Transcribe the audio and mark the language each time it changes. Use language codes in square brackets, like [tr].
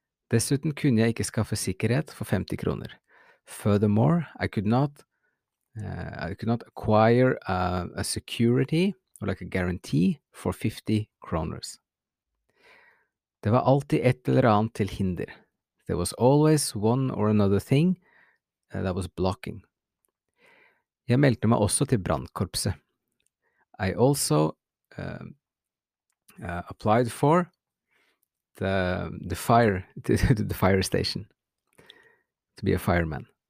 [no] Dessuten kunne jeg ikke skaffe sikkerhet for 50 kroner. [en] Furthermore, I could not acquire a security or like a guarantee for 50 kroners. [no] Det var alltid et eller annet til hinder. [en] There was always one or another thing that was blocking. [no] Jeg meldte meg også til brandkorpset. [en] I also applied for the fire station to be a fireman.